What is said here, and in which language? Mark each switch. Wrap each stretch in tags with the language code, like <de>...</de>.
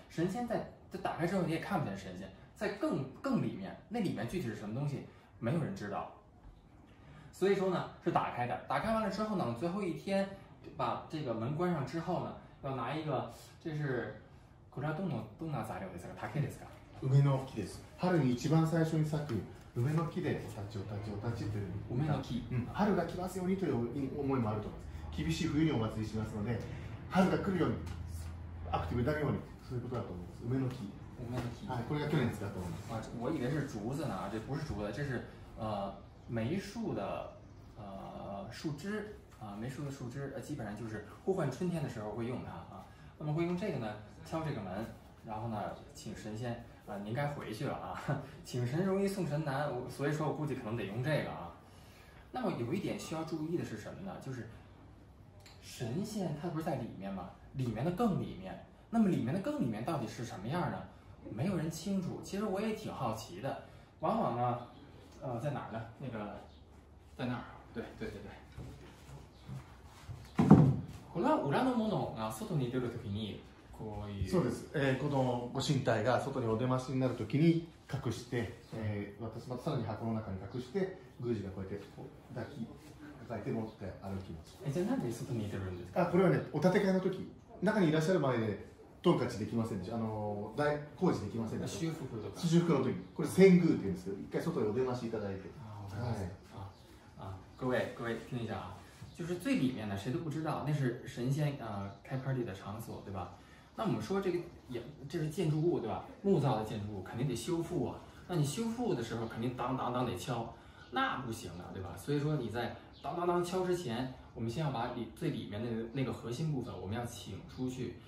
<zh>神仙在这打开之后你也看不见神仙，在更里面，那里面具体是什么东西没有人知道。所以说呢是打开的，打开完了之后呢，最后一天把这个门关上之后呢，要拿一个，这是</zh> <ja>これはどんな材料ですか？竹ですか？梅の木です。春に一番最初に咲く梅の木でお立ち、お立ち、お立ちという梅の木、春が来ますようにという思いもあると思います。厳しい冬にお祭りしますので、春が来るようにアクティブになるように、そういうことだと思います。梅の木、はい、これが去年使ったと思います。</ja> <zh>我以为是竹子呢，这不是竹子，这是梅树的树枝啊，梅树的树枝，基本上就是呼唤春天的时候会用它啊。那么会用这个呢敲这个门，然后呢请神仙您该回去了啊。请神容易送神难，所以说我估计可能得用这个啊。那么有一点需要注意的是什么呢，就是神仙它不是在里面吗，里面的更里面。那么里面的更里面到底是什么样呢，没有人清楚。其实我也挺好奇的。往往呢在哪儿呢，那个在那儿，对对对对。</zh> <ja>これは裏のものが外に出るときにこういう、そうです、このご神体が外にお出ましになるときに隠して、私またさらに箱の中に隠して、宮司がこうやってこう抱いて持って歩きます。じゃあなんで外に出るんですか？これはね、お立て替えのとき、中にいらっしゃる場合でトンカチできませんでした、大工事できませんでした。 修復とか。修復のとき、これ遷宮って言うんですけど、一回外にお出ましいただいて。あ、わかりました。各位、聞いてみて。</ja> <zh>就是最里面的谁都不知道，那是神仙开 party 的场所，对吧。那我们说这个这是建筑物，对吧，木造的建筑物肯定得修复啊。那你修复的时候肯定当当当得敲，那不行啊，对吧。所以说你在当当当敲之前，我们先要把最里面的那个核心部分我们要请出去。</zh>